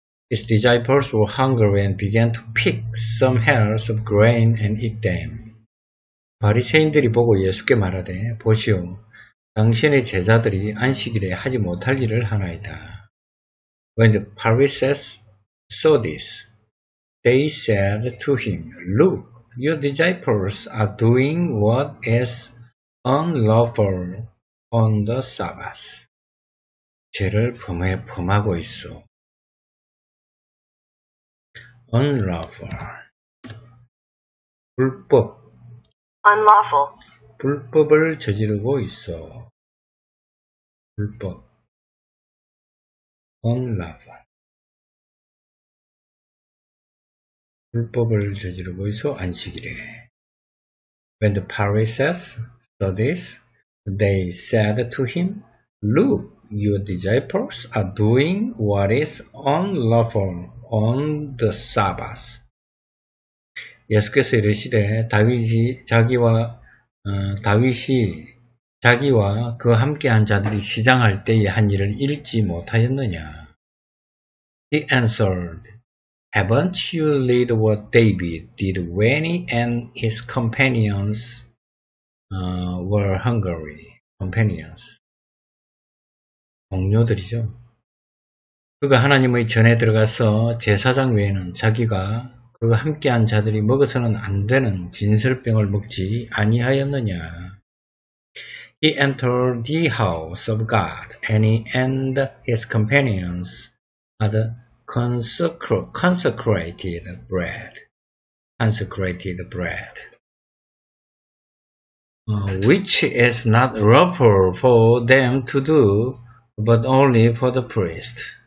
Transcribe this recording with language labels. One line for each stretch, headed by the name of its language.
English: His disciples were hungry and began to pick some hairs of grain and eat them.
Korean: 바리새인들이 보고 예수께 말하되 보시오 당신의 제자들이 안식일에 하지 못할 일을 하나이다.
English: When the Pharisees saw this, they said to him, Look, your disciples are doing what is unlawful on the Sabbath.
Korean: 죄를 범하고 있어. Unlawful. 불법.
English: Unlawful.
Korean: 불법을 저지르고 있어. 불법. Unlawful. 불법을 저지르고 있어 안식일에.
English: When the Pharisees saw this, they said to him, Look, your disciples are doing what is unlawful on the Sabbath.
Korean: 예수께서 이르시되 다윗이 자기와 그 함께한 자들이 시장할 때에 한 일을 잃지 못하였느냐?
English: He answered, Haven't you read what David did when he and his companions were hungry?
Korean: Companions. 동료들이죠. 그가 하나님의 전에 들어가서 제사장 외에는 자기가 그가 함께한 자들이 먹어서는 안 되는 진설병을 먹지 아니하였느냐.
English: He entered the house of God, and he and his companions had consecrated bread. Consecrated bread. Which is not lawful for them to do, but only for the priest.